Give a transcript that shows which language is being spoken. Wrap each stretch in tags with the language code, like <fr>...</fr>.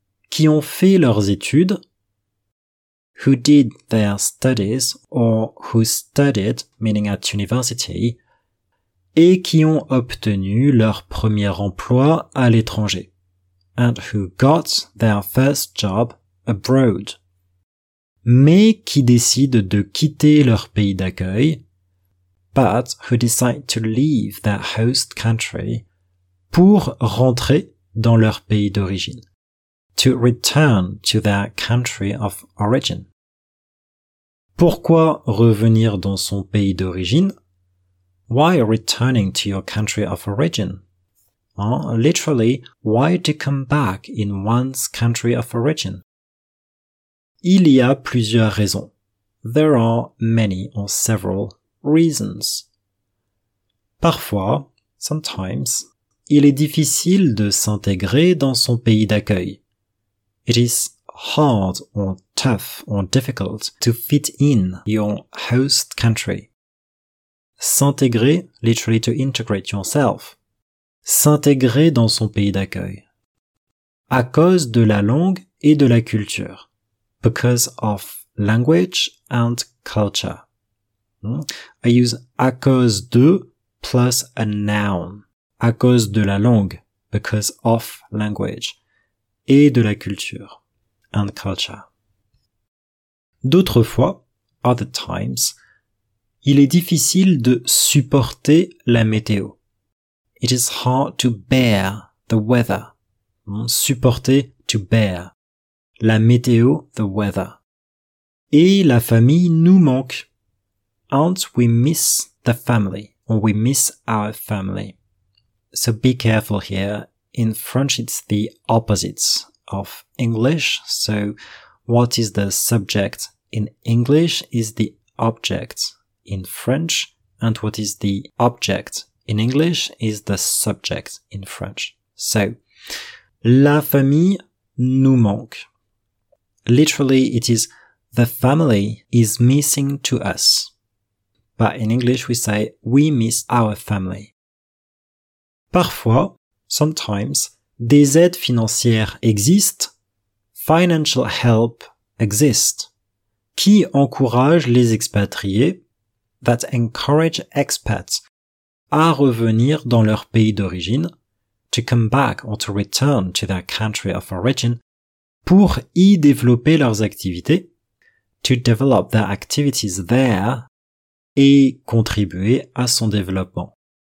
<fr>Qui ont fait leurs études.</fr> <en>Who did their studies or who studied, meaning at university.</en> <fr>Et qui ont obtenu leur premier emploi à l'étranger.</fr> <en>And who got their first job abroad,</en> <fr>mais qui décident de quitter leur pays d'accueil,</fr> <en>but who decide to leave their host country,</en> <fr>pour rentrer dans leur pays d'origine,</fr> <en>to return to their country of origin.</en> <fr>Pourquoi revenir dans son pays d'origine?</fr> <en>Why returning to your country of origin? Literally, why to come back in one's country of origin?</en> <fr>Il y a plusieurs raisons.</fr> <en>There are many or several reasons.</en> <fr>Parfois,</fr> <en>sometimes,</en> <fr>il est difficile de s'intégrer dans son pays d'accueil.</fr> <en>It is hard or tough or difficult to fit in your host country. S'intégrer, literally to integrate yourself.</en> <fr>S'intégrer dans son pays d'accueil. À cause de la langue et de la culture.</fr> <en>Because of language and culture. I use à cause de plus a noun.</en> <fr>À cause de la langue,</fr> <en>because of language,</en> <fr>et de la culture,</fr> <en>and culture.</en> <fr>D'autres fois,</fr> <en>other times,</en> <fr>il est difficile de supporter la météo.</fr> <en>It is hard to bear the weather. Supporter, to bear.</en> <fr>La météo,</fr> <en>the weather.</en> <fr>Et la famille nous manque.</fr> <en>And we miss the family, or we miss our family. So be careful here. In French, it's the opposite of English. So what is the subject in English is the object in French. And what is the object in English is the subject in French.</en> <fr>So, la famille nous manque.</fr> <en>Literally, it is the family is missing to us. But in English, we say we miss our family.</en> <fr>Parfois,</fr> <en>sometimes,</en> <fr>des aides financières existent,</fr> <en>financial help exists,</en> <fr>qui encourage les expatriés,</fr> <en>that encourage expats,</en> <fr>à revenir dans leur pays d'origine,</fr> <en>to come back or to return to their country of origin,</en> <fr>pour y développer leurs activités,</fr> <en>to develop their activities there,</en> <fr>et contribuer à son développement.</fr>